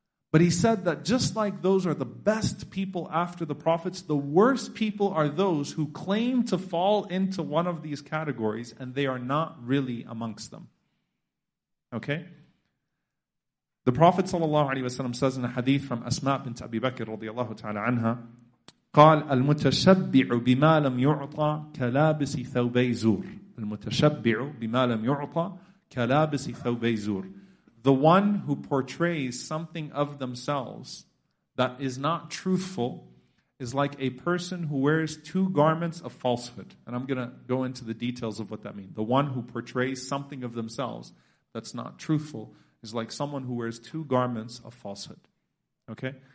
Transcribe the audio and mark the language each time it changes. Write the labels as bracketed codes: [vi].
[en] But he said that just like those are the best people after the prophets, the worst people are those who claim to fall into one of these categories and they are not really amongst them. Okay? The Prophet ﷺ says in a hadith from Asma bint Abi Bakr radiallahu ta'ala anha, [ar] قال المتشبع بما لم يعطى كلابس ثوبي زور. المتشبع بما لم يعطى كلابس ثوبي زور. [en] The one who portrays something of themselves that is not truthful is like a person who wears two garments of falsehood. And I'm going to go into the details of what that means. The one who portrays something of themselves that's not truthful is like someone who wears two garments of falsehood. Okay?